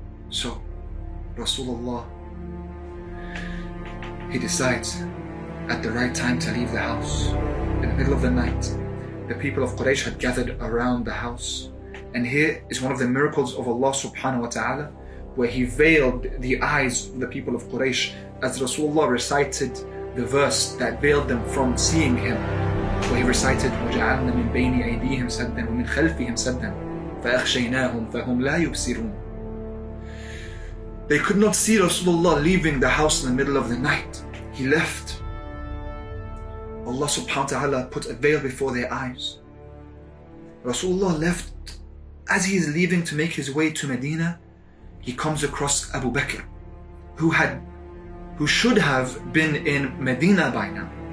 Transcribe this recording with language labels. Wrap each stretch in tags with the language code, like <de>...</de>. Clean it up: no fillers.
<en>So Rasulullah, he decides at the right time to leave the house in the middle of the night. The people of Quraysh had gathered around the house. And here is one of the miracles of Allah subhanahu wa ta'ala, where he veiled the eyes of the people of Quraysh as Rasulullah recited the verse that veiled them from seeing him. Where he recited,</en> <ar>"وَجَعَلْنَا مِنْ بَيْنِ أَيْدِيهِمْ سَدًّا وَمِنْ خَلْفِهِمْ سَدًّا فَأَخْشَيْنَاهُمْ فَهُمْ لَا يُبْصِرُونَ."</ar> <en>They could not see Rasulullah leaving the house in the middle of the night. He left. Allah subhanahu wa ta'ala put a veil before their eyes. Rasulullah left. As he is leaving to make his way to Medina, he comes across Abu Bakr, who should have been in Medina by now.</en>